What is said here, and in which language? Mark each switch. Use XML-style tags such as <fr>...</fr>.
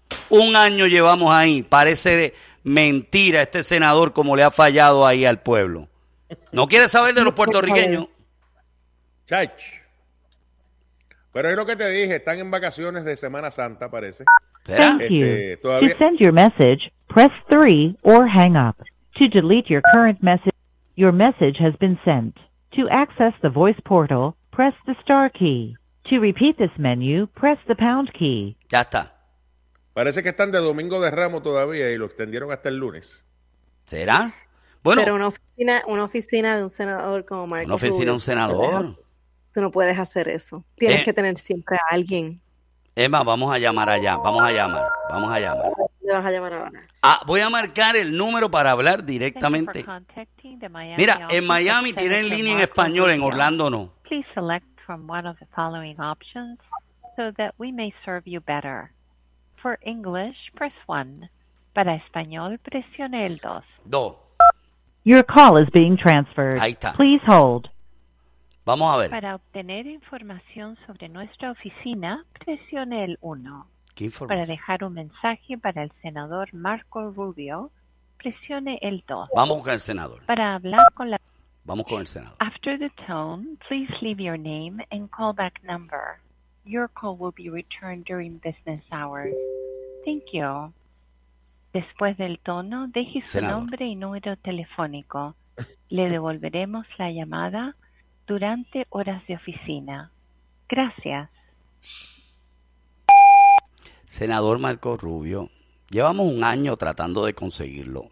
<es>Un año llevamos ahí. Parece mentira este senador como le ha fallado ahí al pueblo. ¿No quiere saber de los puertorriqueños? Chach. Pero es lo que te dije, están en vacaciones de Semana Santa, parece.</es> <en>Thank you. ¿Todavía? To send your message, press 3 or hang up. To delete your current message, your message has been sent. To access the voice portal, press the star key. To repeat this menu, press the pound key.</en> <es>Ya está. Parece que están de Domingo de Ramos todavía y lo extendieron hasta el lunes. ¿Será? Bueno, pero una oficina de un senador como Marco. Una oficina de un senador. Tú no puedes hacer eso. Tienes que tener siempre a alguien. Emma, vamos a llamar allá. Vamos a llamar. Me vas a llamar ahora. Ah, voy a marcar el número para hablar directamente. Mira, en Miami tienen línea en español, en Orlando no.</es> <en>Please select from one of the following options so that we may serve you better. For English, press 1.</en> <es>Para español, presione el 2. 2.</es> <en>Your call is being transferred.</en> <es>Ahí está.</es> <en>Please hold.</en> <es>Vamos a ver. Para obtener información sobre nuestra oficina, presione el 1. ¿Qué información? Para dejar un mensaje para el senador Marco Rubio, presione el 2. Vamos con el senador. Para hablar con la... Vamos con el senador.</es> <en>After the tone, please leave your name and callback number. Your call will be returned during business hours. Thank you.</en> <es>Después del tono, deje su nombre y número telefónico. Le devolveremos la llamada durante horas de oficina. Gracias. Senador Marco Rubio, llevamos un año tratando de conseguirlo.</es>